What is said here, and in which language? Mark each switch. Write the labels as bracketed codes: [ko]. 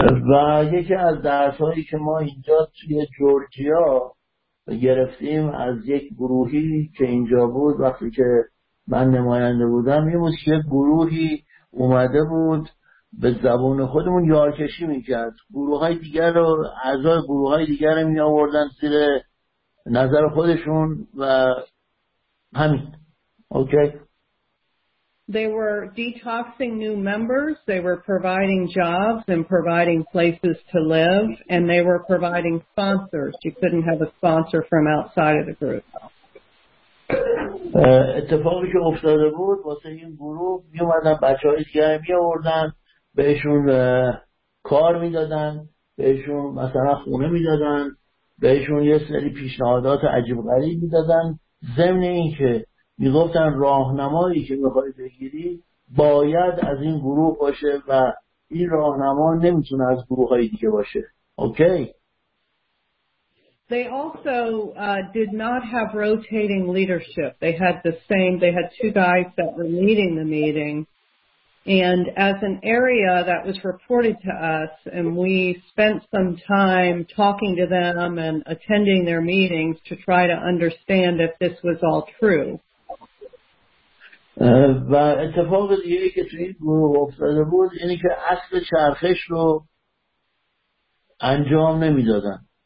[fa] و یکی از درس‌هایی که ما اینجا توی جورجیا گرفتیم از یک گروهی که اینجا بود وقتی که من نماینده بودم، این بود که گروهی اومده بود به زبان خودمون یارکشی میکرد، گروه های دیگر رو، اعضای گروه های دیگر رو میآوردن زیر نظر خودشون و همین. اوکی. [en] They were detoxing new members, they were providing jobs and providing places to live, and they were providing sponsors. You couldn't have a sponsor from outside of the group. [fa] اتفاقی که افتاده بود واسه این گروه، می اومدن بچه های دیگر می آوردن، بهشون کار می دادن، بهشون مثلا خونه می دادن، بهشون یه سری پیشنهادات عجیب غریب می دادن، ضمن این که می گفتن راهنمایی که می خواهی بگیری باید از این گروه باشه و این راهنما نمی تونه از گروه های دیگه باشه. اوکی؟ [en] They also did not have rotating leadership. They had the same, they had two guys that were leading the meeting. And as an area that was reported to us, and we spent some time talking to them and attending their meetings to try to understand if this was all true. [fa] و اتفاق دیگه ای که توی این گروه افتاده بود اینی که اصل چرخش رو انجام نمی دادن.